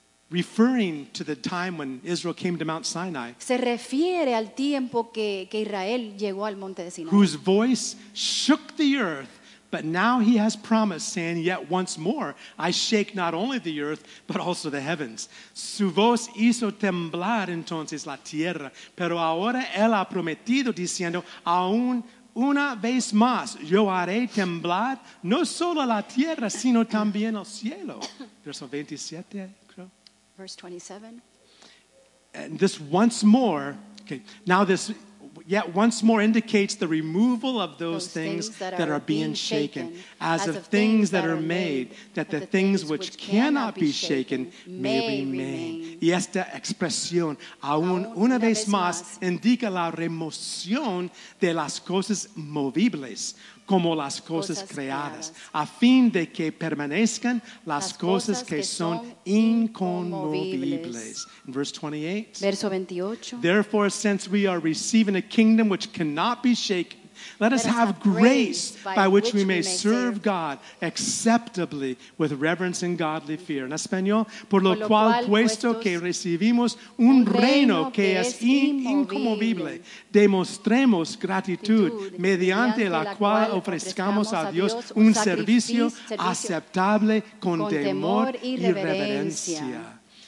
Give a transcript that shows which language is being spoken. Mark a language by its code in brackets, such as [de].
[en] Referring to the time when Israel came to Mount Sinai, [es] se refiere al tiempo que Israel llegó al monte de Sinai, [en] whose voice shook the earth, but now he has promised, saying, yet once more, I shake not only the earth, but also the heavens. [es] Su voz hizo temblar entonces la tierra, pero ahora él ha prometido diciendo, aún una vez más, yo haré temblar no solo la tierra, sino también el cielo. Verso 27, creo. [en] Verse 27. And this once more, okay, now this yet once more indicates the removal of those things that are being shaken, as of things that are made, that the things which cannot be shaken may remain. [es] Y esta expresión, aún una vez más, indica la remoción de las cosas movibles, como las cosas creadas, a fin de que permanezcan las cosas que son inconmovibles. [en] Verse 28. [es] Verso 28. [en] Therefore, since we are receiving a kingdom which cannot be shaken, let us have grace by which we may serve God acceptably with reverence and godly fear. [es] En español, por lo cual puesto que recibimos un reino que es inconmovible, demostremos gratitud mediante la cual ofrezcamos a Dios un servicio aceptable con temor y reverencia.